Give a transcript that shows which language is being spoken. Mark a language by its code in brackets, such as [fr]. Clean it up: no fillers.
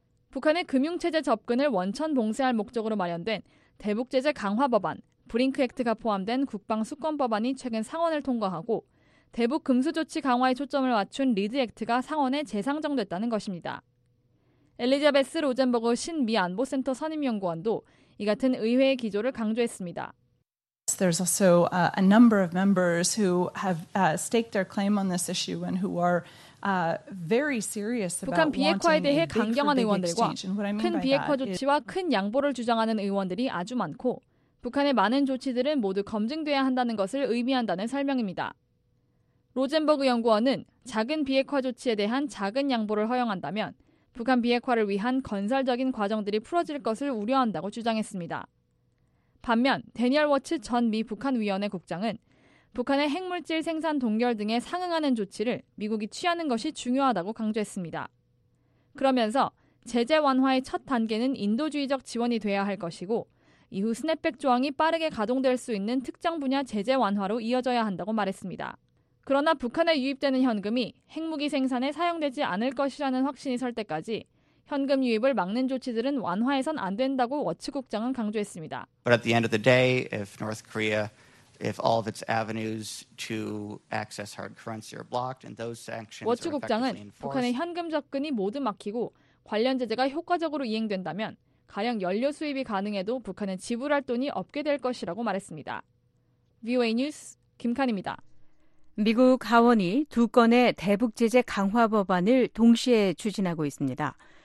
[ko] 북한의 금융체제 접근을 원천 봉쇄할 목적으로 마련된 대북제재 강화 법안, 브링크 액트가 포함된 국방 수권 법안이 최근 상원을 통과하고 대북 금수 조치 강화에 초점을 맞춘 리드 액트가 상원에 재상정됐다는 것입니다. 엘리자베스 로젠버그 신미 안보센터 선임연구원도 이 같은 의회의 기조를 강조했습니다. [en] There's also a number of members who have staked their claim on this issue and who are very serious about [ko] 북한 비핵화에 대해 강경한 의원들과 큰 비핵화 조치와 큰 양보를 주장하는 의원들이 아주 많고 북한의 많은 조치들은 모두 검증돼야 한다는 것을 의미한다는 설명입니다. 로젠버그 연구원은 작은 비핵화 조치에 대한 작은 양보를 허용한다면 북한 비핵화를 위한 건설적인 과정들이 풀어질 것을 우려한다고 주장했습니다. 반면 대니얼 워츠 전 미 북한위원회 국장은 북한의 핵물질 생산 동결 등에 상응하는 조치를 미국이 취하는 것이 중요하다고 강조했습니다. 그러면서 제재 완화의 첫 단계는 인도주의적 지원이 돼야 할 것이고 이후 스냅백 조항이 빠르게 가동될 수 있는 특정 분야 제재 완화로 이어져야 한다고 말했습니다. 그러나 북한에 유입되는 현금이 핵무기 생산에 사용되지 않을 것이라는 확신이 설 때까지 현금 유입을 막는 조치들은 완화해선 안 된다고 워츠 국장은 강조했습니다. [en] But at the end of the day, if North Korea, if all of its avenues to access hard currency are blocked and those sanctions are effectively enforced, [ko] 워츠 국장은 북한의 현금 접근이 모두 막히고 관련 제재가 효과적으로 이행된다면 가령 연료 수입이 가능해도 북한은 지불할 돈이 없게 될 것이라고 말했습니다. VOA 뉴스 김칸입니다. 미국 하원이 두 건의 대북 제재 강화 법안을 동시에 추진하고 있습니다.